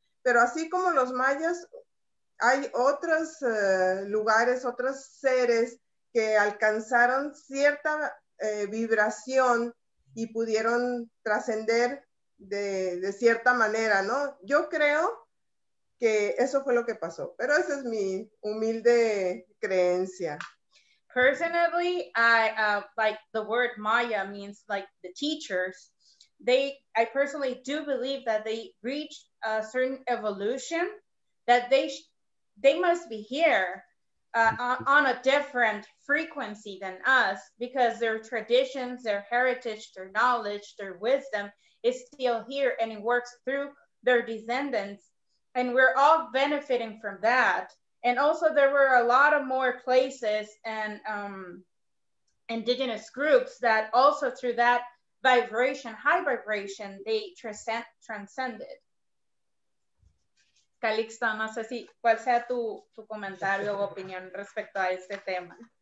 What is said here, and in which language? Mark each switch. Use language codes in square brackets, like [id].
[es] Pero así como los mayas, hay otros lugares, otros seres que alcanzaron cierta vibración y pudieron trascender de cierta manera, ¿no? Yo creo que eso fue lo que pasó, pero esa es mi humilde creencia. [en] Personally, like the word Maya means like the teachers. I personally do believe that they reached a certain evolution that they must be here on a different frequency than us because their traditions, their heritage, their knowledge, their wisdom is still here and it works through their descendants. And we're all benefiting from that. And also there were a lot of more places and indigenous groups that also through that vibration, high vibration, they transcended. [es] Calixto, no sé si, cuál sea tu comentario o opinión respecto a este tema.